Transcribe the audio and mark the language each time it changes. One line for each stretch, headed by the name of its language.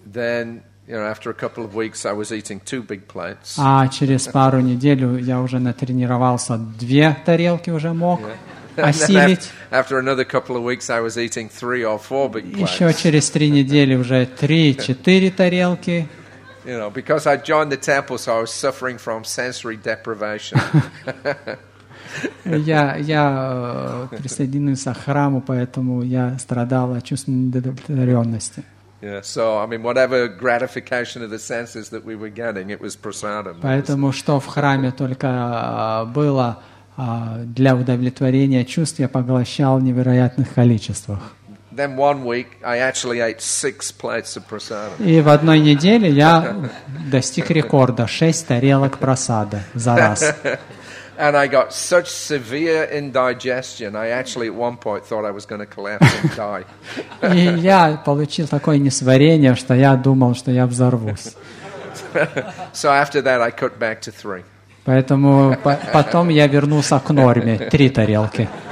English: Then, you know, after a couple of weeks, I was eating two big plates.
Russian: А через пару недель я уже натренировался, две тарелки уже мог осилить.
English: After another couple of weeks, I was eating three or four big plates.
Russian: Еще через три недели уже 3-4 тарелки.
English: You know, because I joined the temple, so I was suffering from sensory deprivation.
Russian: Я присоединился к храму, поэтому я страдал от чувственной неудовлетворенности.
English: Yeah, so I mean, whatever gratification of the senses that we were getting, it was prasadam.
Russian: Поэтому что в храме только было для удовлетворения чувств, я поглощал в невероятных количествах.
English: Then one week I actually ate 6 plates of prasadam.
Russian: И в одной неделе я достиг рекорда 6 тарелок просада за раз.
English: And I got such severe indigestion. I actually at one point thought I was going to collapse and die.
Russian: И я получил такое несварение, что я думал, что я взорвусь.
English: So after that I cut back to 3.
Russian: Поэтому потом я вернулся к норме 3 тарелки.